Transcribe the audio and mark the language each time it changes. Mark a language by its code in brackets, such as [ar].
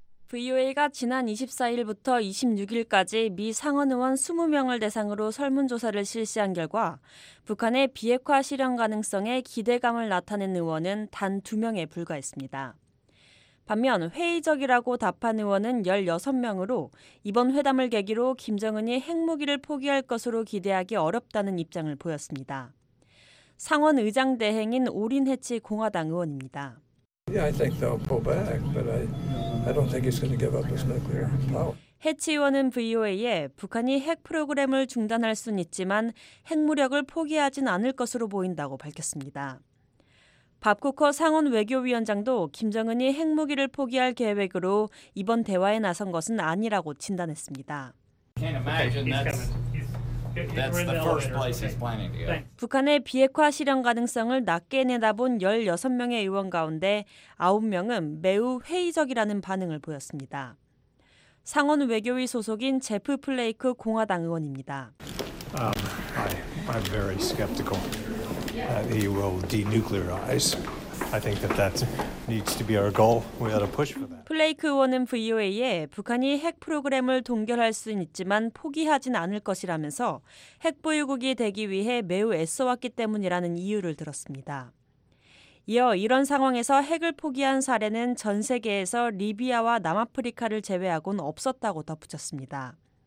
[ko] VOA가 지난 24일부터 26일까지 미 상원의원 20명을 대상으로 설문조사를 실시한 결과 북한의 비핵화 실현 가능성에 기대감을 나타낸 의원은 단 2명에 불과했습니다. 반면 회의적이라고 답한 의원은 16명으로 이번 회담을 계기로 김정은이 핵무기를 포기할 것으로 기대하기 어렵다는 입장을 보였습니다. 상원의장 대행인 오린해치 공화당 의원입니다. [en] Yeah, I think they'll pull back, but I don't think he's going to give up his nuclear power. [ko] 해치 의원은 VOA에 북한이 핵 프로그램을 중단할 순 있지만 핵무력을 포기하진 않을 것으로 보인다고 밝혔습니다. 밥쿠커 상원 외교위원장도 김정은이 핵무기를 포기할 계획으로 이번 대화에 나선 것은 아니라고 진단했습니다. [en] Can't imagine that's the first place he's planning to go. [ko] 북한의 비핵화 실현 가능성을 낮게 내다본 16명의 의원 가운데 9명은 매우 회의적이라는 반응을 보였습니다. 상원 외교위 소속인 제프 플레이크 공화당 의원입니다. [en] I'm very skeptical. He will denuclearize. I think that needs to be our goal. We ought to push for that. [ko] 플레이크 의원은 VOA에 북한이 핵 프로그램을 동결할 수는 있지만 포기하진 않을 것이라면서 핵 보유국이 되기 위해 매우 애써왔기 때문이라는 이유를 들었습니다. 이어 이런 상황에서 핵을 포기한 사례는 전 세계에서 리비아와 남아프리카를 제외하고는 없었다고 덧붙였습니다.